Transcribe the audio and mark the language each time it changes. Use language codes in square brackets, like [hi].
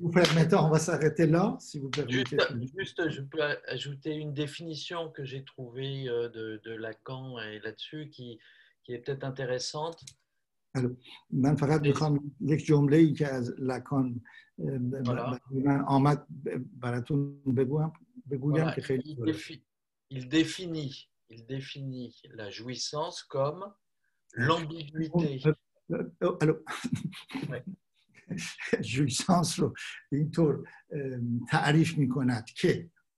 [fr] vous permettez, on va s'arrêter là. Si vous permettez. Juste, je peux ajouter une définition que j'ai trouvée de Lacan et là-dessus qui est peut-être intéressante. [fa] Alors, من فقط میخوام یک جمله ای که از لکان من آمد براتون بگویم که خیلی [fr] il définit la jouissance comme l'ambiguïté. [fa] Alors jouissance رو اینطور تعریف میکند که